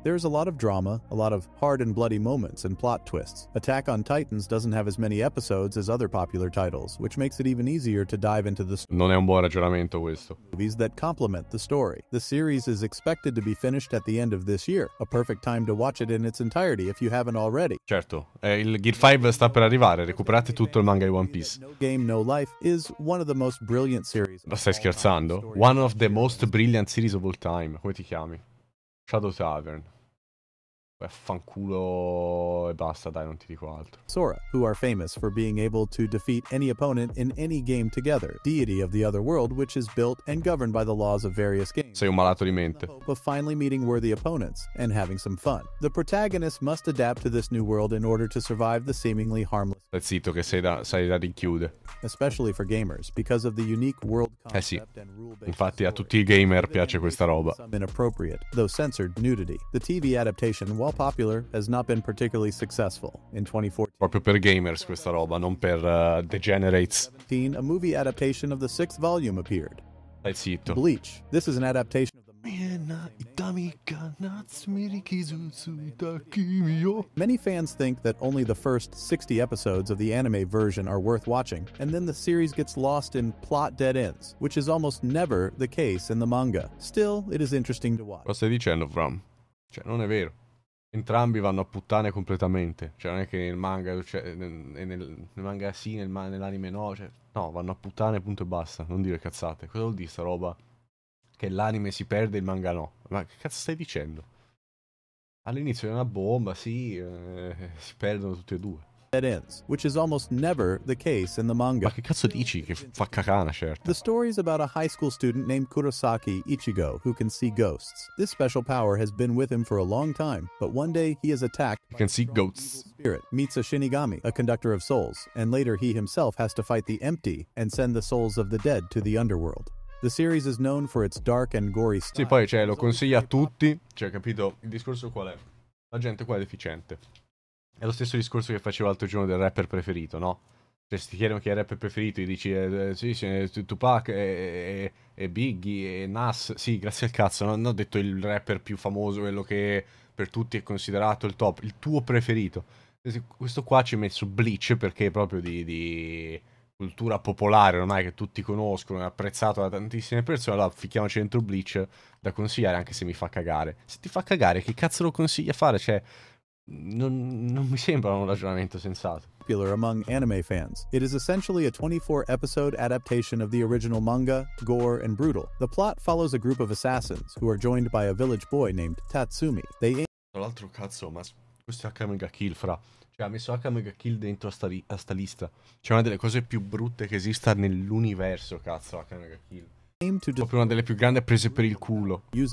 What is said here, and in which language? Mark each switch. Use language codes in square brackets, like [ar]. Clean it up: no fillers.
[en] There's a lot of drama, a lot of hard and bloody moments and plot twists. Attack on Titans doesn't have as many episodes as other popular titles, which makes it even easier to dive into the [it] story. Non è un buon ragionamento. [en] Movies that complement the story. The series is expected to be finished at the end of this year, a perfect time to watch it in its entirety if you haven't already. [it] Certo, il Gear 5 sta per arrivare, recuperate tutto il manga di One Piece. [en] No Game No Life is one of the most brilliant series. [it] Ma stai scherzando? [en] One of the most brilliant series of all time, [it] come ti chiami? [en] Shadow Tavern. [it] Fanculo e basta, dai, non ti dico altro. [en] Sora, who are famous for being able to defeat any opponent in any game together, deity of the other world, which is built and governed by the laws of various games. [it] Sei un malato di mente. [en] But finally meeting worthy opponents and having some fun. The protagonist must adapt to this new world in order to survive the seemingly harmless. [it] Stai zitto che sei da rinchiude. [en] Especially for gamers, because of the unique world concept and rule-based. [it] Infatti a tutti I gamer piace questa roba. [en] Some inappropriate, though censored, nudity. The TV adaptation, while popular, has not been particularly successful in 2014. [it] Proprio per gamers questa roba, non per degenerates. [en] A movie adaptation of the 6th volume appeared. [it] Stai zitto. [en] Bleach. This is an adaptation. Many fans think that only the first 60 episodes of the anime version are worth watching, and then the series gets lost in plot dead ends, which is almost never the case in the manga. Still, it is interesting to watch. [it] Cosa stai dicendo, Fram? Cioè, non è vero. Entrambi vanno a puttane completamente. Cioè, non è che nel manga, cioè, nel manga sì, nell'anime no. Cioè, no, vanno a puttane, punto e basta. Non dire cazzate. Cosa vuol dire sta roba? Che l'anime si perde e il manga no. Ma che cazzo stai dicendo? All'inizio è una bomba, sì, si perdono tutti e due. [en] that ends, which is almost never the case in the manga. [it] Ma che cazzo dici che fa cacana, certo. [en] The story is about a high school student named Kurosaki Ichigo, who can see ghosts. This special power has been with him for a long time, but one day he is attacked. He can see ghosts. Spirit meets a Shinigami, a conductor of souls, and later he himself has to fight the empty and send the souls of the dead to the underworld. The series is known for its dark and gory style. [it] Sì, poi cioè lo consiglia a tutti, cioè capito il discorso qual è? La gente qua è deficiente. È lo stesso discorso che facevo l'altro giorno del rapper preferito, no? Cioè, se ti chiedono chi è il rapper preferito, gli dici, sì, sì, Tupac e Biggie e Nas. Sì, grazie al cazzo, non ho detto il rapper più famoso, quello che per tutti è considerato il top. Il tuo preferito. Questo qua ci ha messo Bleach perché è proprio di cultura popolare, ormai che tutti conoscono, è apprezzato da tantissime persone. Allora, ficchiamoci dentro Bleach da consigliare, anche se mi fa cagare. Se ti fa cagare, che cazzo lo consigli a fare? Cioè... Non mi sembra un ragionamento sensato. [en] Popular among anime fans. It is essentially a 24-episode adaptation of the original manga, gore and brutal. The plot follows a group of assassins who are joined by a village boy named Tatsumi. They [it] tra l'altro cazzo, ma questo è Akamega Kill, fra. Cioè, ha messo Akamega Kill dentro a sta lista. C'è una delle cose più brutte che esista nell'universo, cazzo, Akamega Kill. Proprio una delle più grandi prese per il culo.